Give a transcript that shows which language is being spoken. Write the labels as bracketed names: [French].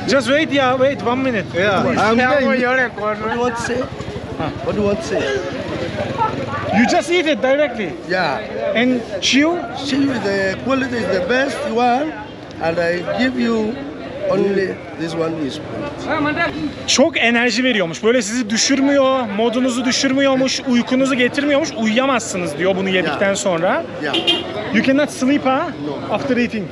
[English] Just wait, yeah, wait 1 minute. Yeah, I'm going. What say? What do you say? You just eat it directly. Yeah. And chew. Chew the quality is the best one, and I give you. Only this one is good. [Turkish] Çok enerji veriyormuş. Böyle sizi düşürmüyor, modunuzu düşürmüyormuş, uykunuzu getirmiyormuş. Uyuyamazsınız diyor bunu yedikten sonra. [English] Yeah. You cannot sleep after eating.